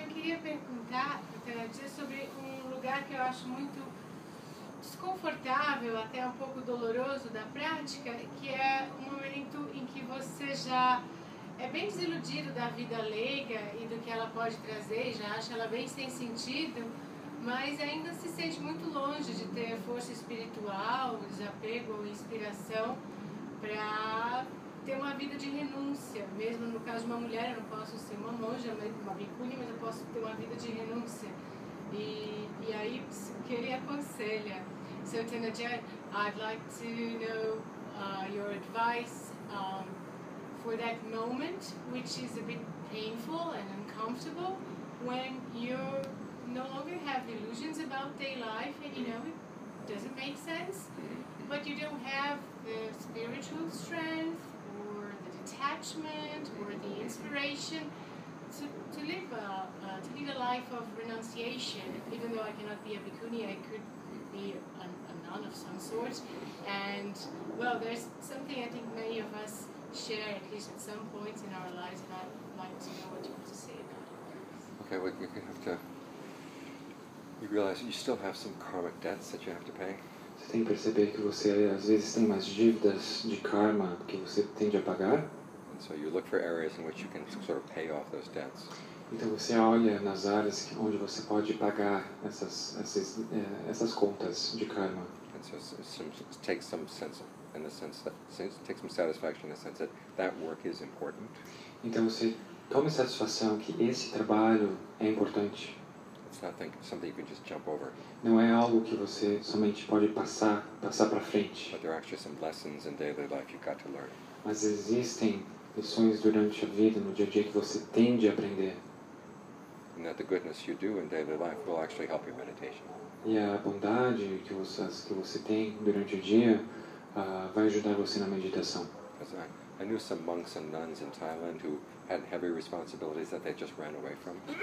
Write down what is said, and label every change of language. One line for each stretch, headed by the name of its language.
Portuguese: Eu queria perguntar para o Tenadia sobre um lugar que eu acho muito desconfortável, até um pouco doloroso da prática, que é um momento em que você já é bem desiludido da vida leiga e do que ela pode trazer, já acha ela bem sem sentido, mas ainda se sente muito longe de ter força espiritual, desapego ou inspiração para ter uma vida de renúncia, mesmo no caso de uma mulher, eu não posso ser uma monja, uma bhikkhuni, mas eu posso ter uma vida de renúncia. E aí, o que ele aconselha?
English: So Tenajet, I'd like to know your advice for that moment, which is a bit painful and uncomfortable, when you no longer have illusions about daylife and you know it doesn't make sense, but you don't have the spiritual strength or the detachment or the inspiration to live a life of renunciation. Even though I cannot be a bhikkhuni, I could be a nun of some sort. And well, there's something I think many of us share at least at some point in our lives, and I'd like to know what you want to say about it. Okay, well, you have to. You realize you still have some karmic debts that you have to pay.
Portuguese: Você tem que perceber que você às vezes tem umas dívidas de karma que você tende a pagar.
English: And so you look for areas in which you can sort of pay off those debts.
Portuguese: Então você olha nas áreas onde você pode pagar essas contas de karma.
English: And so take some satisfaction in the sense that work is important.
Portuguese: Então você toma satisfação que esse trabalho é importante.
English: Something you can just jump over.
Portuguese: Não é algo que você somente pode passar para frente.
English: But there are actually some lessons in daily life you've got to learn.
Portuguese: Mas existem lições durante a vida, no dia a dia, que você tem de aprender.
English: And that the goodness you do in daily life will actually help your meditation.
Portuguese: E a bondade que você tem durante o dia vai ajudar você na meditação.
English: I knew some monks and nuns in Thailand who had heavy responsibilities that they just ran away from.